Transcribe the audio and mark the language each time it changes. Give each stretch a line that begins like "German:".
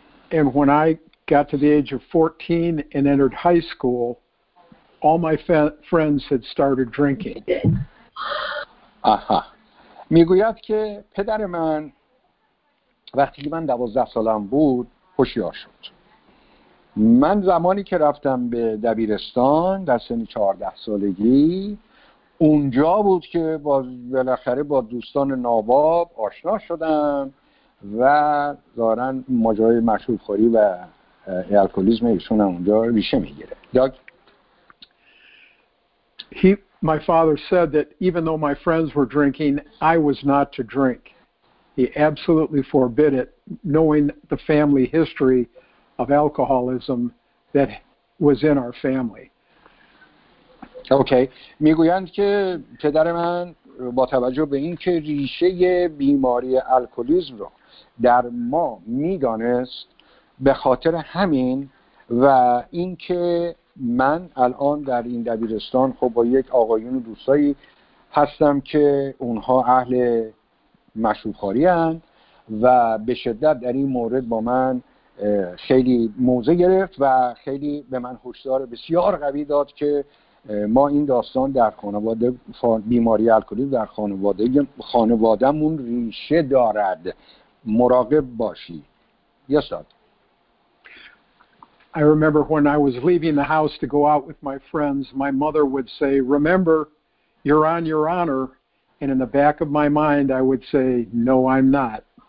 English: And when I got to the age of 14 and entered high school, all my friends had started drinking.
Persian: میگوید که پدر من وقتی من 12 سالم بود خوشیار شد. من زمانی که رفتم به دبیرستان در سن 14 سالگی، اونجا بود که بالاخره با دوستان ناباب آشنا شدم و دارن ماجرای مشروب خوری و الکلیسم ایشون اونجا ریشه میگیره. داگ.
English: My father said that even though my friends were drinking, I was not to drink. He absolutely forbid it, knowing the family history of alcoholism that was in our family. Okay.
Persian: میگویند که پدر من با توجه به این که ریشه بیماری الکلیسم رو در ما میدانست، به خاطر همین و این که من الان در این دبیرستان خب با یک آقایون و دوستایی هستم که اونها اهل مشروب خوری هن و به شدت در این مورد با من خیلی موضع گرفت و خیلی به من هشدار بسیار قوی داد که ما این داستان در خانواده بیماری الکلیسم در خانوادهمون ریشه دارد، مراقب باشی.
English: Yes, sir. I remember when I was leaving the house to go out with my friends, my mother would say, remember, you're on your honor. And in the back of my mind, I would say, no, I'm not.